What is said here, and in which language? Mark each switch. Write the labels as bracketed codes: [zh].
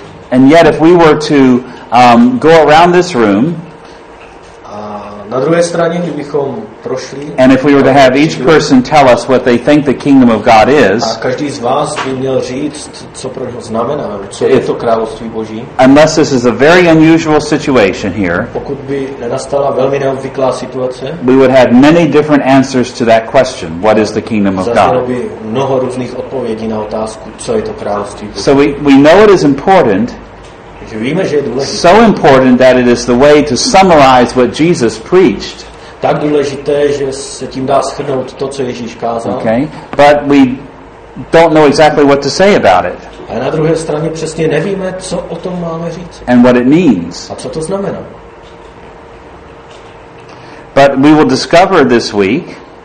[en] And yet if we were to go around this room, [cs] na druhé straně, kdybychom prošli, [en] and if we were to have each person tell us what they think the kingdom of God is, [cs] a každý z vás by měl říct, co pro něho znamená, co je to království Boží. [en] Unless this is a very unusual situation here, [cs] pokud by nenastala velmi neobvyklá situace, [en] we would have many different answers to that question, what is the kingdom of God? [cs] Zaznělo by mnoho různých odpovědí na otázku, co je to království Boží. [en] So we know it is important. [cs] Víme, že je důležité. [en] So important that it is the way to summarize what Jesus preached. [cs] Tak důležité, že se tím dá shrnout to, co Ježíš kázal. [en] Okay. But we don't know exactly what to say about it. [cs] A na druhé straně přesně nevíme, co o tom máme říct. [en] And what it means. [cs] A co to znamená? [en] But we will discover this week.